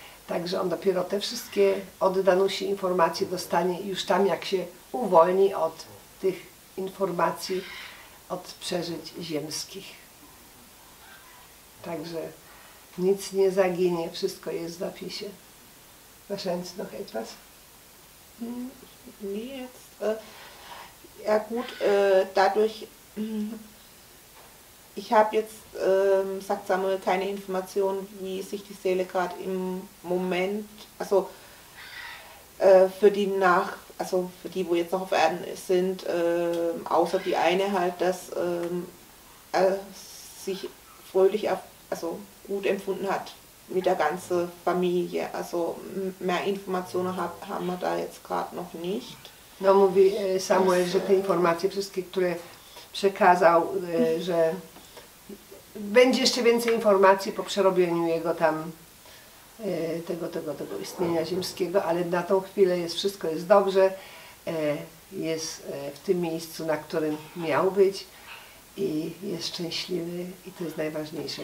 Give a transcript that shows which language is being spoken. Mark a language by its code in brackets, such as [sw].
[pl] Także on dopiero te wszystkie od Danusi informacje dostanie już tam, jak się uwolni od tych informacji, od przeżyć ziemskich. Także nic nie zaginie, wszystko jest w zapisie. [de] Wahrscheinlich noch etwas? [pl] Nie, jetzt. [de] Ja gut, dadurch ich habe jetzt, sagt Samuel, keine Information, wie sich die Seele gerade im Moment, also für die nach, also für die, wo jetzt noch auf Erden sind, außer die eine halt, dass er sich fröhlich, also gut empfunden hat mit der ganzen Familie. Also mehr Informationen haben wir da jetzt gerade noch nicht. [pl] No, mówi Samuel, [de] dass, die Informationen, [pl] wszystkie, które przekazał, że będzie jeszcze więcej informacji po przerobieniu jego tam tego istnienia ziemskiego, ale na tą chwilę jest wszystko jest dobrze, jest w tym miejscu, na którym miał być i jest szczęśliwy i to jest najważniejsze.